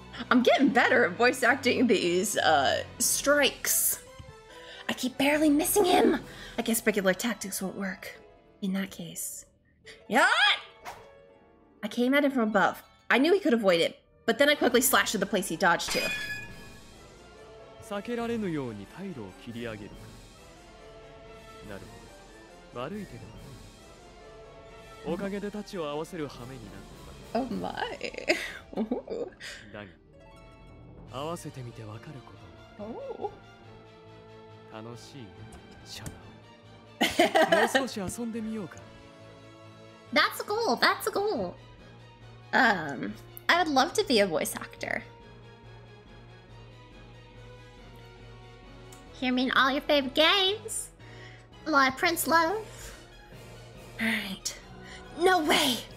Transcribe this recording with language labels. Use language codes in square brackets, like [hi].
[en] I'm getting better at voice acting these, strikes. I keep barely missing him! I guess regular tactics won't work. In that case... Yeah! I came at him from above. I knew he could avoid it, but then I quickly slashed at the place he dodged to. [ja] 避けられぬように退路を切り上げるか。なるほど。悪い手ではない。おかげで太刀を合わせる羽目になった。 [en] Oh my... [ja] だが合わせてみてわかること。楽しい、シャナ。もう少し遊んでみようか。 [en] That's a goal. That's a goal. I would love to be a voice actor. hear me in all your favorite games. A lot of Prince love. Alright. No way!